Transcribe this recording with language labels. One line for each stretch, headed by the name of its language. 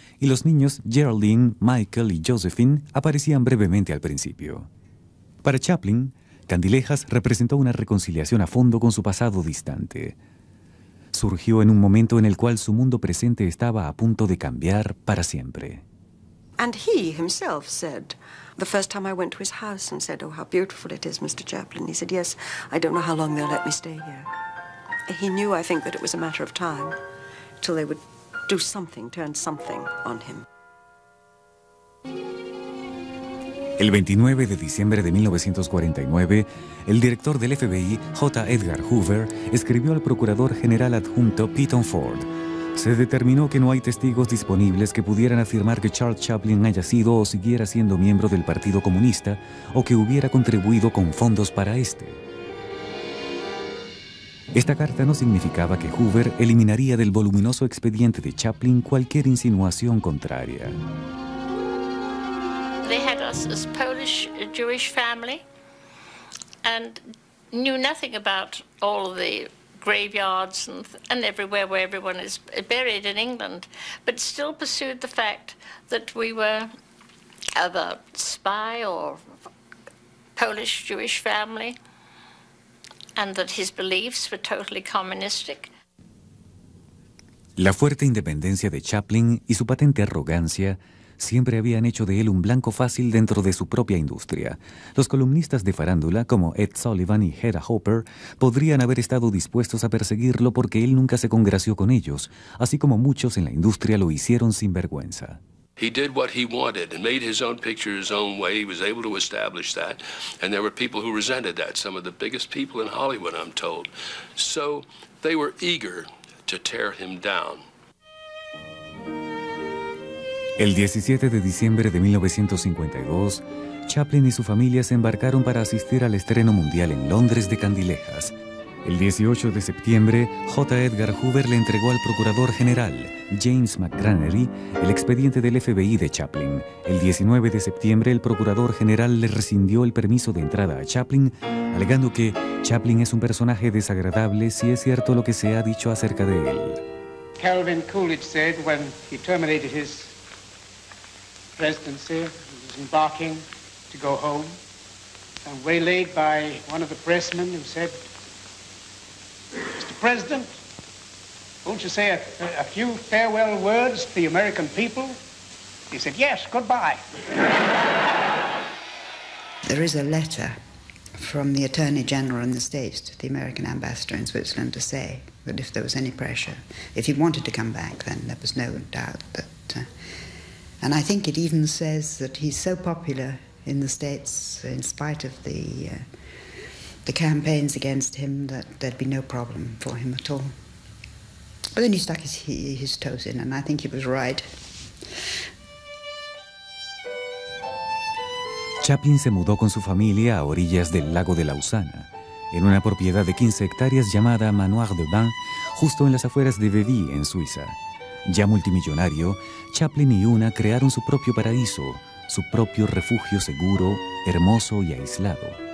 Spanish: Y los niños Geraldine, Michael y Josephine aparecían brevemente al principio. Para Chaplin, Candilejas representó una reconciliación a fondo con su pasado distante. Surgió en un momento en el cual su mundo presente estaba a punto de cambiar para siempre.
English: And he himself said, the first time I went to his house and said, oh, how beautiful it is, Mr. Chaplin. He said, yes, I don't know how long they'll let me stay here. He knew, I think, that it was a matter of time till they would do something, turn something on him.
Spanish: El 29 de diciembre de 1949, el director del FBI, J. Edgar Hoover, escribió al procurador general adjunto Peyton Ford. Se determinó que no hay testigos disponibles que pudieran afirmar que Charles Chaplin haya sido o siguiera siendo miembro del Partido Comunista o que hubiera contribuido con fondos para este. Esta carta no significaba que Hoover eliminaría del voluminoso expediente de Chaplin cualquier insinuación contraria.
English: They had us as Polish Jewish family and knew nothing about all of the graveyards and everywhere where everyone is buried in England, but still pursued the fact that we were of a spy or Polish Jewish family and that his beliefs were totally communistic.
Spanish: La fuerte independencia de Chaplin y su patente arrogancia siempre habían hecho de él un blanco fácil dentro de su propia industria. Los columnistas de farándula, como Ed Sullivan y Hedda Hopper, podrían haber estado dispuestos a perseguirlo porque él nunca se congració con ellos, así como muchos en la industria lo hicieron sin vergüenza.
English: He did what he wanted and made his own picture his own way. He was able to establish that. And there were people who resented that, some of the biggest people in Hollywood, I'm told. So they were eager to tear him down.
Spanish: El 17 de diciembre de 1952, Chaplin y su familia se embarcaron para asistir al estreno mundial en Londres de Candilejas. El 18 de septiembre, J. Edgar Hoover le entregó al procurador general, James McGranary, el expediente del FBI de Chaplin. El 19 de septiembre, el procurador general le rescindió el permiso de entrada a Chaplin, alegando que Chaplin es un personaje desagradable si es cierto lo que se ha dicho acerca de él.
English: Calvin Coolidge said when he terminated his presidency, he was embarking to go home, and waylaid by one of the pressmen who said, Mr. President, won't you say a few farewell words to the American people? He said, yes, goodbye. There is a letter from the Attorney General in the States to the American ambassador in Switzerland to say that if there was any pressure, if he wanted to come back, then there was no doubt that... And I think it even says that he's so popular in the States, in spite of the campaigns against him, that there'd be no problem for him at all. But then he stuck his toes in, and I think he was right.
Spanish: Chaplin se mudó con su familia a orillas del lago de Lausana, en una propiedad de 15 hectáreas llamada Manoir de Bain, justo en las afueras de Vevey, en Suiza. Ya multimillonario, Chaplin y Una crearon su propio paraíso, su propio refugio seguro, hermoso y aislado.